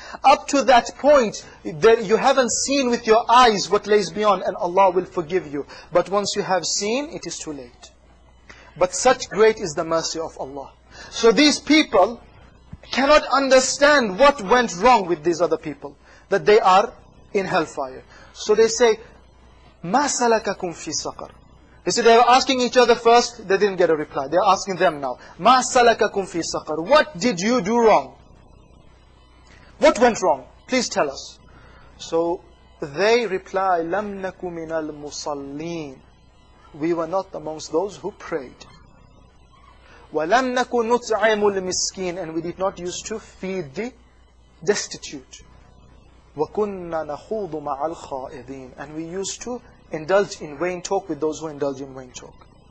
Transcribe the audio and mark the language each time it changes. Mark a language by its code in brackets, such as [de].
[en] Up to that point, you haven't seen with your eyes what lays beyond, and Allah will forgive you. But once you have seen, it is too late. But such great is the mercy of Allah. So these people cannot understand what went wrong with these other people, that they are in hellfire. So they say, [ar] مَا سَلَكَكُمْ فِي سَقَرْ. [en] You see, they were asking each other first, they didn't get a reply. They are asking them now. [ar] مَا سَلَكَكُمْ فِي سَقَرْ. [en] What did you do wrong? What went wrong? Please tell us. So they reply, [ar] لَمْ نَكُ مِنَ الْمُصَلِّينَ. [en] We were not amongst those who prayed. [ar] وَلَمْ نَكُ نُطْعِمُ الْمِسْكِينَ. [en] And we did not used to feed the destitute. [ar] وَكُنَّا نَخُوضُ مَعَ الْخَائِذِينَ. [en] And we used to indulge in vain talk with those who indulge in vain talk.